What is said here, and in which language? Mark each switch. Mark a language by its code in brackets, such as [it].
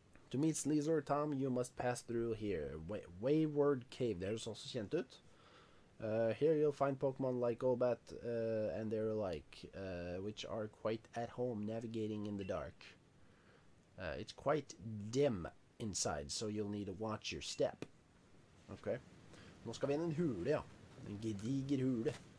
[en] To meet Sneasler, Tom, you must pass through here. [no] Wayward Cave, det er sånn som kjent ut. [en] Here you'll find Pokemon like Obat and their like, which are quite at home navigating in the dark. It's quite dim inside, so you'll need to watch your step. [no] Ok. Nå skal vi inn en hule, ja. En gediger hule.